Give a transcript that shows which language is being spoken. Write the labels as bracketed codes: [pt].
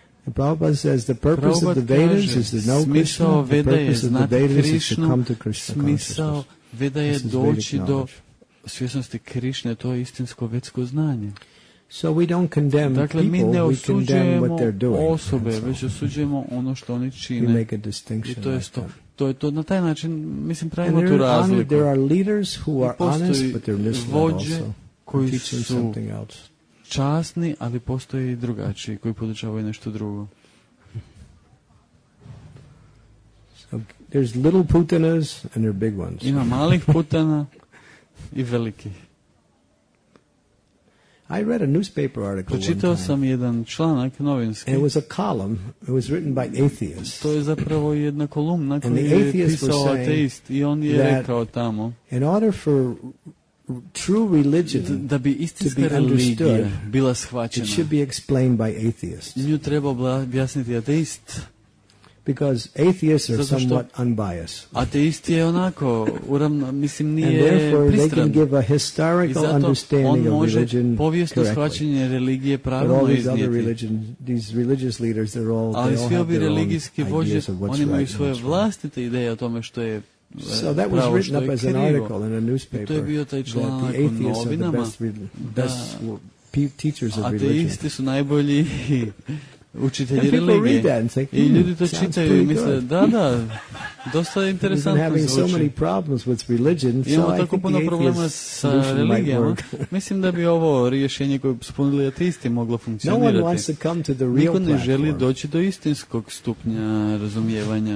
[en] Prabhupada says the purpose of the Vedas [hr] kaže, [en] is to know Krishna. The purpose of the Vedas [hr] Krishna, [en] is to come to Krishna consciousness. [hr] Veda je doći do svjesnosti Krišne, to je istinsko vedsko znanje. [en] So we don't condemn [hr] dakle, mi ne osuđujemo osobe, [en] so, [hr] već osuđujemo ono što oni čine. [en] We make a distinction [hr] i to je [en] like [hr] to. To je to, na taj način, mislim, pravimo tu razliku. [en] There are leaders who are honest, but they're misled also. [hr] Vođe koji su časni, ali postoje i drugačiji, koji podučavaju nešto drugo. [en] There's little putanas and there are big ones. [hr] Ima malih putana i veliki. [en] I read a newspaper article. [hr] Pročitao sam jedan članak novinski. [en] It was a column. It was written by atheists. [hr] To je zapravo jedna kolumna koju je pisao ateist i on je rekao tamo. [en] In order for true religion [hr] da bi istinska religija bila shvaćena, [en] it should be explained by atheists. [hr] Nju treba objasniti ateist. [en] Because atheists are somewhat unbiased. [hr] Ateisti je onako, uravno, mislim, nije [en] and therefore [hr] pristran. [en] They can give a historical understanding of religion [hr] povijesno shvaćanje religije pravilno iznijeti. [en] But all these other religions, these religious leaders, they're all, [hr] ali [en] they all have their own ideas [hr] vođe, [en] of what's right and what's wrong. [hr] Oni imaju [en] right [hr] svoje vlastite ideje o tome što je [en] so that was written up as an article in a newspaper. [hr] I to je bio taj članak [en] the atheists [hr] u novinama. [en] Are the best teachers of [hr] ateisti [en] religion. [hr] Ateisti su najbolji učitelji [en] and [hr] religije. [en] Read that and think, [hr] i ljudi to čitaju i misle, da, dosta interesantno zvuči. [en] So many problems with religion, [hr] imamo [en] so [hr] tako puno problema sa religijama. Mislim da bi ovo rješenje koje su ponudili ateisti moglo funkcionirati. [en] No one wants to come to the real [hr] niko ne želi [en] platform [hr] doći do istinskog stupnja razumijevanja